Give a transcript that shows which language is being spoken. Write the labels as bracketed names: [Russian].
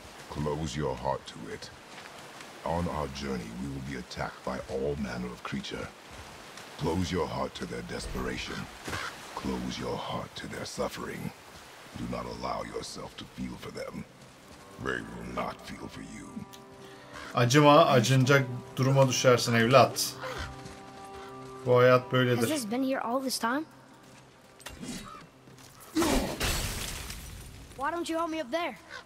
[English] Close your heart to it. On our journey, we will be attacked by all manner of creature. Close your heart to their desperation. Close your heart to their suffering. Do not allow yourself to feel for them. They will not feel for you. [Turkish] Acıma, acınacak duruma düşersin evlat. Bu hayat böyledir. [English] Has this been here all this time? Why don't you help me up there?